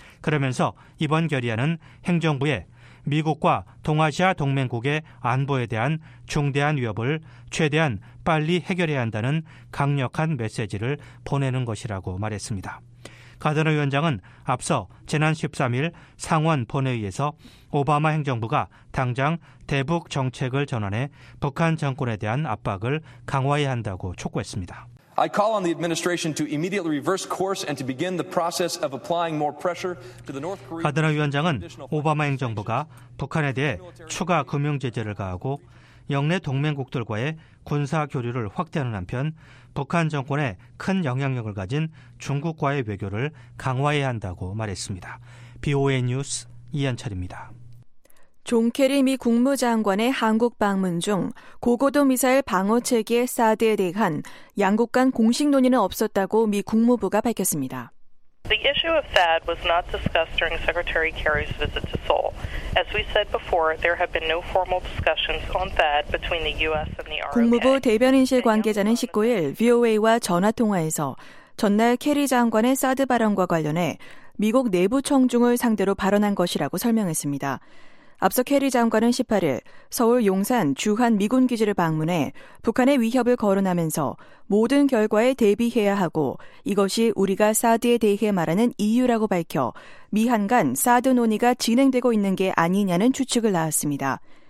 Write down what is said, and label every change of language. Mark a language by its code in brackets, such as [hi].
[ko] 그러면서 이번 결의안은 행정부의 미국과 동아시아 동맹국의 안보에 대한 중대한 위협을 최대한 빨리 해결해야 한다는 강력한 메시지를 보내는 것이라고 말했습니다. 가드너 위원장은 앞서 지난 13일 상원 본회의에서 오바마 행정부가 당장 대북 정책을 전환해 북한 정권에 대한 압박을 강화해야 한다고 촉구했습니다. [en] I call on the administration to immediately reverse course and to begin the process of applying more pressure to the North Korea. [ko] 가드너 위원장은 오바마 행정부가 북한에 대해 추가 금융 제재를 가하고 영내 동맹국들과의 군사 교류를 확대하는 한편 북한 정권에 큰 영향력을 가진 중국과의 외교를 강화해야 한다고 말했습니다. BOA 뉴스 이한철입니다. 존 케리 미 국무장관의 한국 방문 중 고고도 미사일 방어 체계 사드에 대한 양국 간 공식 논의는 없었다고 미 국무부가 밝혔습니다. [en] The issue of THAAD was not discussed during Secretary Kerry's visit to Seoul. As we said before, there have been no formal discussions on THAAD between the U.S. and the ROK. [ko] 국무부 대변인실 관계자는 19일 VOA와 전화 통화에서 전날 케리 장관의 사드 발언과 관련해 미국 내부 청중을 상대로 발언한 것이라고 설명했습니다. 앞서 케리 장관은 18일 서울 용산 주한 미군 기지를 방문해 북한의 위협을 거론하면서 모든 결과에 대비해야 하고 이것이 우리가 사드에 대해 말하는 이유라고 밝혀 미한 간 사드 논의가 진행되고 있는 게 아니냐는 추측을 낳았습니다.